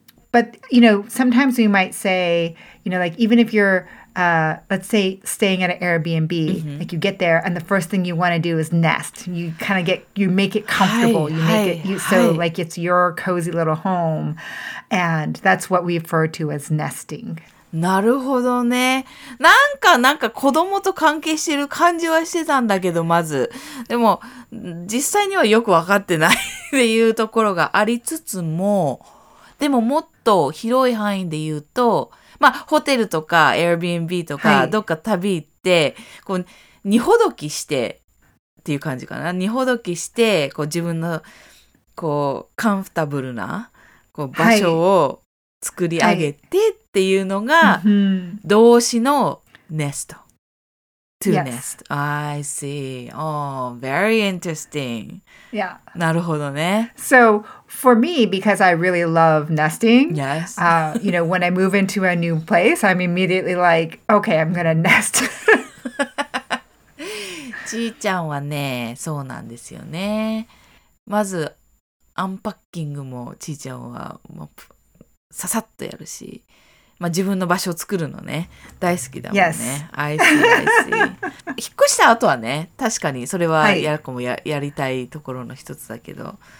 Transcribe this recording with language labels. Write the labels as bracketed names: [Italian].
[English] But, you know, sometimes we might say, you know, like even if you're, let's say, staying at an Airbnb, mm-hmm. like you get there and the first thing you want to do is nest. You kind of get, you make it comfortable. Like it's your cozy little home. And that's what we refer to as nesting. [Japanese] なるほどね。なんか子供と関係してる感じはしてたんだけど、まず。でも、実際にはよくわかってないっていうところがありつつも、でももっと広い範囲で言うと、まあ、ホテルとか、Airbnb とか、どっか旅行って、はい、こう、二ほどきしてっていう感じかな。二ほどきして、こう、自分の、こう、カンフタブルな、こう、場所を作り上げて、はいはいっていうのが、mm-hmm. 動詞の [English] nest. To yes. nest. I see. Oh, very interesting. Yeah. [Japanese] なるほどね。 [English] So, for me, because I really love nesting, yes. You know, when I move into a new place, I'm immediately like, okay, I'm gonna nest. [Japanese] ちーちゃんはね、そうなんですよね。まず、アンパッキングもちーちゃんはもうささっとやるし、まあ、自分の場所を作るのね。大好きだもんね。 [English] Yes. I see, I see. [Japanese] 引っ越した後はね、確かにそれはやる子も やりたいところの一つだけど。